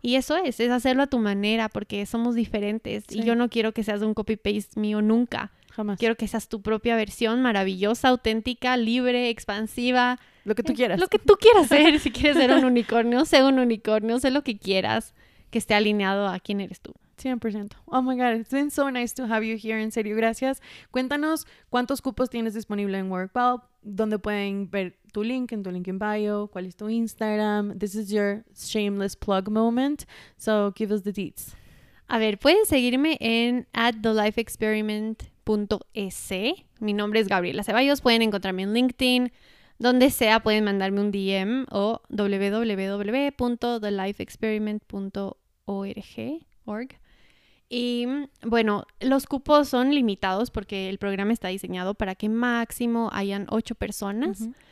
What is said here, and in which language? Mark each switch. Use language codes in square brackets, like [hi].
[es] Y eso es hacerlo a tu manera, porque somos diferentes. Sí. Y yo no quiero que seas un copy-paste mío nunca. Jamás. Quiero que seas tu propia versión maravillosa, auténtica, libre, expansiva. Lo que tú quieras. Lo que tú quieras ser. Si quieres ser un unicornio, sé un unicornio, sé lo que quieras, que esté alineado a quién eres tú. 100%. [en] Oh my God, it's been so nice to have you here, [es] en serio, gracias. Cuéntanos cuántos cupos tienes disponible en Workwell, dónde pueden ver tu link, en tu link en bio, cuál es tu Instagram. [en] This is your shameless plug moment, so give us the deets. [es] A ver, pueden seguirme en @thelifeexperiment.es. Mi nombre es Gabriela Ceballos, pueden encontrarme en LinkedIn, donde sea pueden mandarme un DM o www.thelifeexperiment.org. Y bueno, los cupos son limitados porque el programa está diseñado para que máximo hayan 8 personas.